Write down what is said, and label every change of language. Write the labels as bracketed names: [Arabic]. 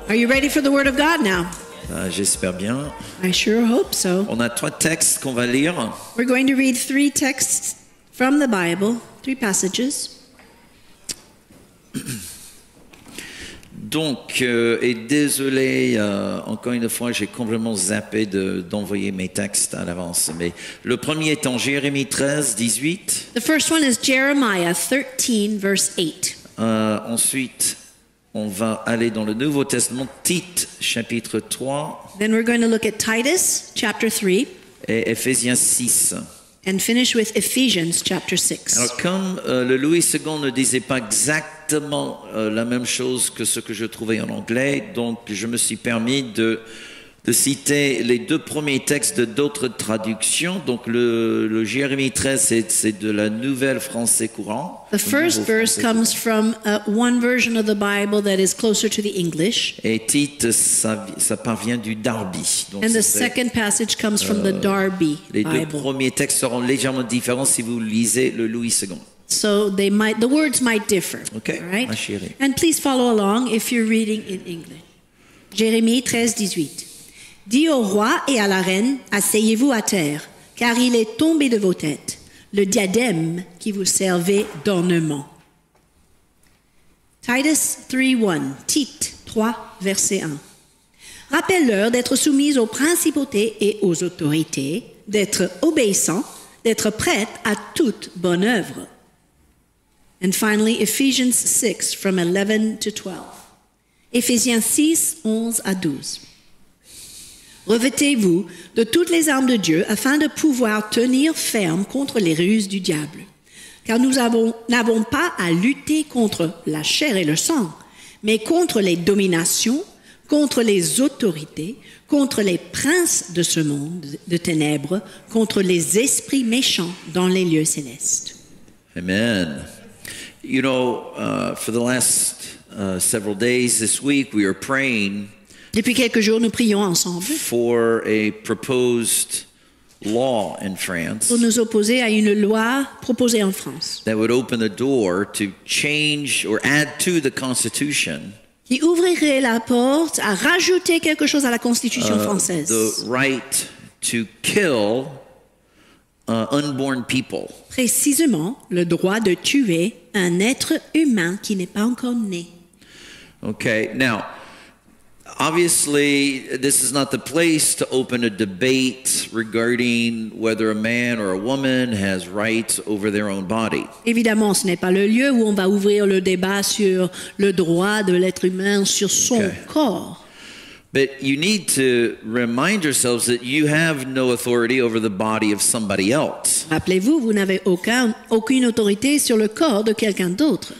[English] Are you ready for the word of God now? [French] J'espère bien. [English] I sure hope so. [French] On a trois textes qu'on va lire. [English] We're going to read three texts from the Bible, three passages. [French] Donc, et désolé, encore une fois, j'ai complètement zappé d'envoyer mes textes à l'avance. Mais le premier est en Jérémie 13, 18. [English] The first one is Jeremiah 13, verse 8. [French] Ensuite, on va aller dans le Nouveau Testament, Tite, chapitre 3. [English] Then we're going to look at Titus, chapter 3. [French] Et Ephésiens 6. [English] And finish with Ephesians, chapter 6. [French] Alors, comme le Louis II ne disait pas exactement la même chose que ce que je trouvais en anglais, donc je me suis permis de citer les deux premiers textes de d'autres traductions. Donc le Jérémie 13, c'est de la Nouvelle Français Courant. [English] The first verse comes from one version of the Bible that is closer to the English. [French] Et Tite, ça parvient du Darby. [English] Donc, and the second passage comes from the Darby Bible. [French] Les deux premiers textes seront légèrement différents si vous lisez le Louis II. [English] So they might, the words might differ. Okay, right? [French] Ma chérie. [English] And please follow along if you're reading in English. [French] Jérémie 13, 18. Dis au roi et à la reine, asseyez-vous à terre, car il est tombé de vos têtes, le diadème qui vous servait d'ornement. Titus 3, 1. Tite 3, verset 1. Rappelle-leur d'être soumise aux principautés et aux autorités, d'être obéissant, d'être prête à toute bonne œuvre. [English] And finally, Ephesians 6, from 11 to 12. [French] Ephésiens 6, 11 à 12. Revêtez-vous de toutes les armes de Dieu afin de pouvoir tenir ferme contre les ruses du diable. Car nous n'avons pas à lutter contre la chair et le sang, mais contre les dominations, contre les autorités, contre les princes de ce monde de ténèbres, contre les esprits méchants dans les lieux célestes. Amen. [English] You know, for the last several days this week, we are praying. [French] Depuis quelques jours, nous prions ensemble. [English] For a proposed law in France. [French] Pour nous opposer à une loi proposée en France. [English] That would open the door to change or add to the Constitution. [French] Qui ouvrirait la porte à rajouter quelque chose à la Constitution française. [English] The right to kill unborn people. [French] Précisément, le droit de tuer un être humain qui n'est pas encore né. [English] Okay, now, obviously, this is not the place to open a debate regarding whether a man or a woman has rights over their own body. [French] Évidemment, ce n'est pas le lieu où on va ouvrir le débat sur le droit de l'être humain sur son corps. [English] But you need to remind yourselves that you have no authority over the body of somebody else. [French] Rappelez-vous, vous n'avez aucune autorité sur le corps de quelqu'un d'autre.